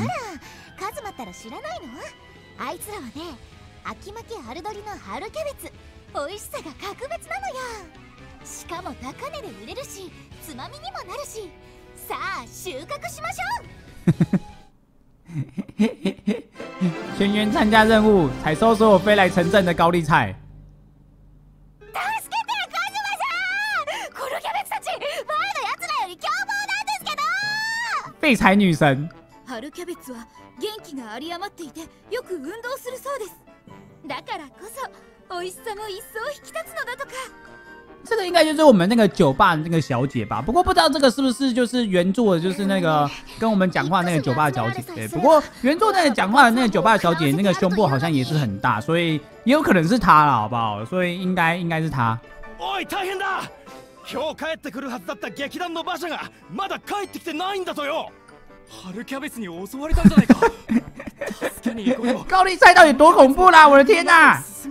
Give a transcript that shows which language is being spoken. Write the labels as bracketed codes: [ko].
[ja] あら、カズマったら知らないの？あいつらはね、秋巻き春鳥の春キャベツ、美味しさが格別なのよ。しかも高値で売れるし、つまみにもなるし、さあ収穫しましょう。 [zh] 全员参加任务，采收所有飞来城镇的高丽菜。 [ja] 助けて、カズマさん！このキャベツたち、前のやつらより凶暴なんですけど！ [zh] 废柴女神。 [ja] 春キャベツは元気があり余っていて、よく運動するそうです。だからこそ、美味しさも一層引き立つのだとか。 [zh] 这个应该就是我们那个酒吧那个小姐吧，不过不知道这个是不是就是原作的，就是那个跟我们讲话那个酒吧小姐。对，不过原作那个讲话的那个酒吧小姐，那个胸部好像也是很大，所以也有可能是她了，好不好？所以应该是她。 [ja] 喂，大変だ！今日帰ってくるはずだった劇団の馬車がまだ帰ってきてないんだとよ。春キャベツに襲われたんじゃないか。 [zh] 高麗菜到底多恐怖啦！我的天哪！